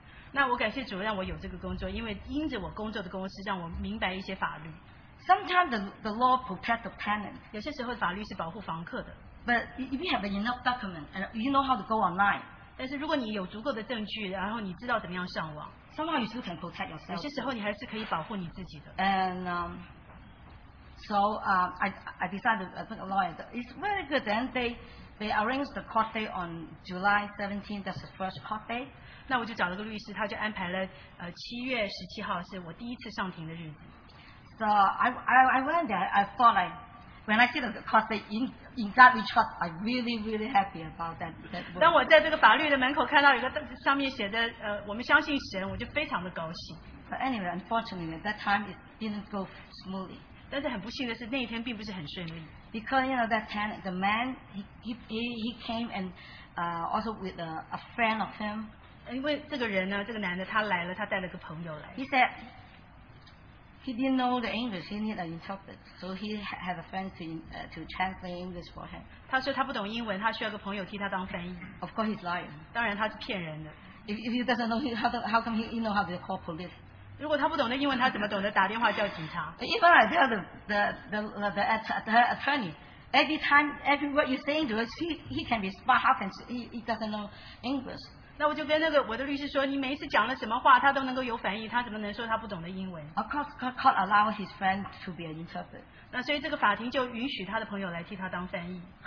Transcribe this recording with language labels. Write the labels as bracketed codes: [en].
[zh] 那我感谢主让我有这个工作，因为因着我工作的公司让我明白一些法律。 [en] Sometimes the law protects the tenant. [zh] 有些时候法律是保护房客的。 [en] But if you have enough document and you know how to go online. [zh] 但是如果你有足够的证据，然后你知道怎么样上网。 [en] Somehow you still can protect yourself. [zh] 有些时候你还是可以保护你自己的。 [en] And I decided to get a lawyer. It's very good. Then they arranged the court date on July 17th. That's the first court date. [zh] 那我就找了个律师，他就安排了七月十七号是我第一次上庭的日子。 [en] So I went there. I thought like when I see the court date in that which court, I really really happy about that. [zh] 当我在这个法律的门口看到有个上面写的我们相信神，我就非常的高兴。 [en] But anyway, unfortunately, at that time it didn't go smoothly. [zh] 但是很不幸的是，那一天并不是很顺利。 [en] Because you know that tenant, the man he came and also with a friend of him. [zh] 因为这个人呢，这个男的他来了，他带了个朋友来。 [en] He said he didn't know the English, he needed an interpreter, so he had a friend to translate English for him. [zh] 他说他不懂英文，他需要个朋友替他当翻译。 [en] Of course he's lying. [zh] 当然他是骗人的。 [en] If he doesn't know, how come he know how to call police? [zh] 如果他不懂的英文，他怎么懂得打电话叫警察？ [en] Even I tell the attorney, every time, every word you're saying to us, he can be smart, how can he doesn't know English? [zh] 那我就跟那个我的律师说，你每一次讲了什么话，他都能够有反应，他怎么能说他不懂的英文 [en] ？Of course, court allowed his friend to be an interpreter. [zh] 那所以这个法庭就允许他的朋友来替他当翻译。